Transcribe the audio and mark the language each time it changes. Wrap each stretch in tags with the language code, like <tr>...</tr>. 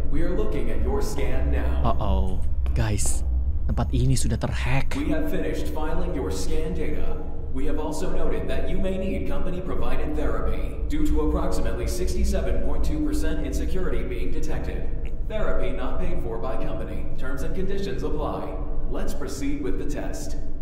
<en>We are looking at your scan now.</en> <id>Guys, tempat ini sudah terhack.</id> <en>We have finished filing your scan data. We have also noted that you may need company provided therapy due to approximately 67.2% insecurity being detected. Therapy not paid for by company. Terms and conditions apply. Let's proceed with the test.</en>